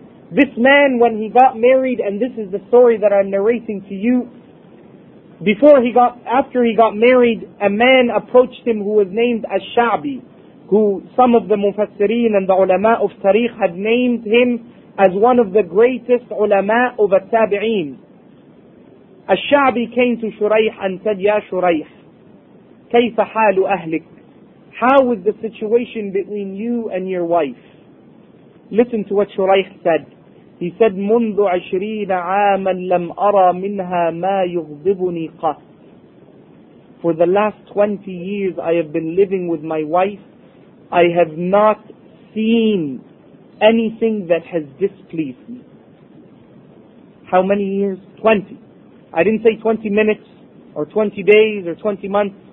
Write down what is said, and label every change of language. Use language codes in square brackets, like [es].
[en] This man, when he got married, and this is the story that I'm narrating to you, after he got married, a man approached him who was named Ash-Sha'bi, who some of the Mufassireen and the ulama of Tariq had named him as one of the greatest ulama of At-Tabi'een. Ash-Sha'bi came to Shuraih and said, "Ya Shuraih, [ar] kayfa halu ahlik? [en] How is the situation between you and your wife?" Listen to what Shuraih said. He said, [ar] منذ 20 عاما لم أرى منها ما يغضبني قط. [en] For the last 20 years I have been living with my wife, I have not seen anything that has displeased me. How many years? 20. I didn't say 20 minutes or 20 days or 20 months.